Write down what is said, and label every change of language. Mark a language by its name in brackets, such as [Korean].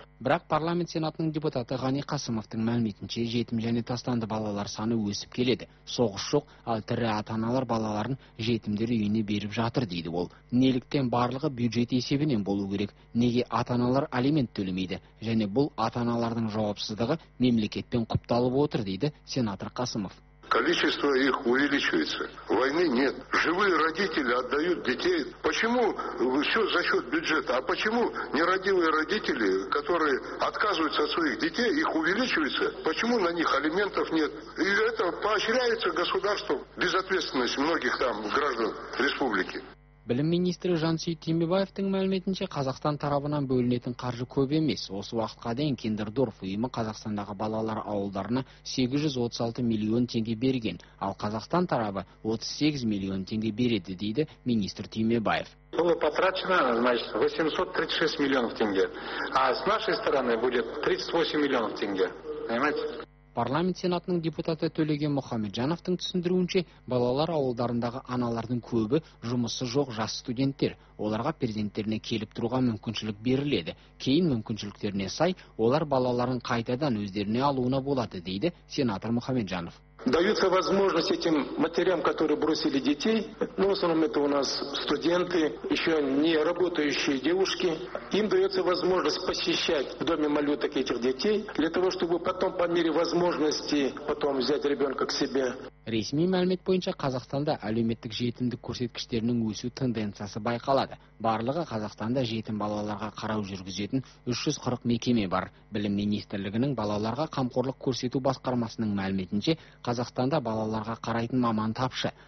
[Kazakh] Бірақ парламент сенатының депутаты Ғани Қасымовтың мәліметінше жетім және тастанды балалар саны өсіп келеді. Соғыс жоқ, ал тірі ата-аналар балаларын жетімдер үйіне беріп жатыр дейді ол. Неліктен барлығы бюджет есебінен болу керек? Неге ата-аналар алимент төлемейді? Және бұл ата-аналардың жауапсыздығы мемлекетпен құпталып отыр дейді сенатор Қасымов. [Russian] Количество их увеличивается. Войны нет. Живые родители отдают детей. Почему все за счет бюджета? А почему нерадивые родители, которые отказываются от своих детей, их увеличивается? Почему на них алиментов нет? И это поощряется государством. Безответственность многих там граждан республики. [Kazakh] Билим министри Жансүй Тимебаевтың мәліметінше, Қазақстан тарабынан бөлінетін қаржы көп емес. Осы уақытқа дейін Киндердорф ұйымы Қазақстандағы балалар ауылдарына 836 миллион теңге берген, ал Қазақстан тарабы 38 миллион теңге береді, дейді министр Тимебаев. [Russian] Было потрачено, значит, 836 миллионов тенге. А с нашей стороны будет 38 миллионов тенге. Понимаете? [Kazakh] Парламент сенатының депутаты Төлеген Мұхамеджановтың түсіндіруінше, балалар ауылдарындағы аналардың көбі жұмысы жоқ жас студенттер. Оларға перзенттеріне келіп тұруға мүмкіншілік беріледі. Кейін мүмкіншіліктеріне сай, олар балаларын қайтадан өздеріне алуына болады, дейді сенатор Мұхамеджанов. [Russian] Даются возможность этим матерям, которые бросили детей, ну, в основном это у нас студенты, еще не работающие девушки, им дается возможность посещать в доме малюток этих детей, для того, чтобы потом по мере возможности потом взять ребенка к себе. [Kazakh] Ресми мәлімет бойынша Қазақстанда әлеуметтік жетімдік көрсеткіштерінің өсу тенденциясы байқалады. Барлығы Қазақстанда жетім балаларға қарау жүргізетін 340 мекеме бар. Білім министрлігінің балаларға қамқорлық көрсету басқармасының мәліметінше, Қазақстанда балаларға қарайтын маман тапшы.